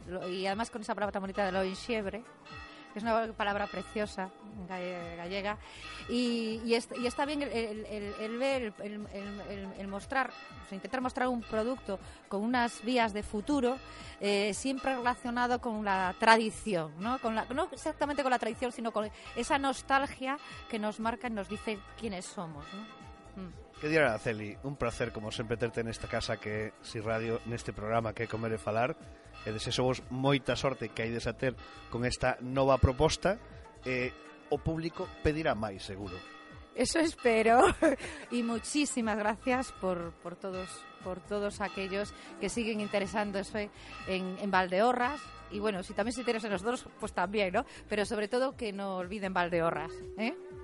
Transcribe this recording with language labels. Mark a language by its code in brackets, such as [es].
[es] y además con esa palabra tan bonita de lo enxiebre, que es una palabra preciosa gallega, y está bien el mostrar, o sea, intentar mostrar un producto con unas vías de futuro, siempre relacionado con la tradición, ¿no? Con la, no exactamente con la tradición, sino con esa nostalgia que nos marca y nos dice quiénes somos, ¿no? Qué día, Araceli, un placer como siempre tenerte en esta casa que si radio, en este programa que Comer e Falar. [gl] E deseso vos moita sorte que hai de ter con esta nova proposta. O público pedirá máis, seguro. Eso espero. [es] Y muchísimas gracias por todos aquellos que siguen interesándose en Valdeorras. Y bueno, si también se interesa en nosotros, pues también, ¿no? Pero sobre todo que no olviden Valdeorras, ¿eh?